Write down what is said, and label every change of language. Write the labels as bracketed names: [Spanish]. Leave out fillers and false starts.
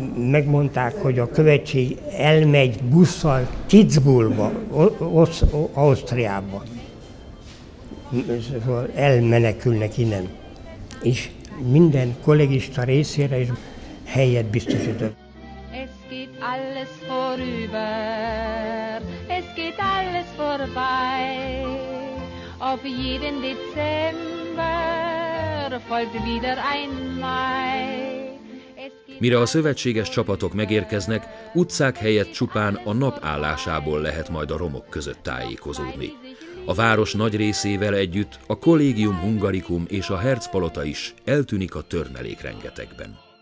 [Hungarian] Megmondták, hogy a követség elmegy busszal Kitzbühelbe, Ausztriába. Elmenekülnek innen. És minden kollégista részére is helyet biztosított. [German] Es geht alles vorüber, es geht alles vorbei. Auf jeden Dezember folgt wieder ein Mai. [Hungarian] Mire a szövetséges csapatok megérkeznek, utcák helyett csupán a nap állásából lehet majd a romok között tájékozódni. A város nagy részével együtt a Collegium Hungaricum és a Herzpalota is eltűnik a törmelék rengetegben.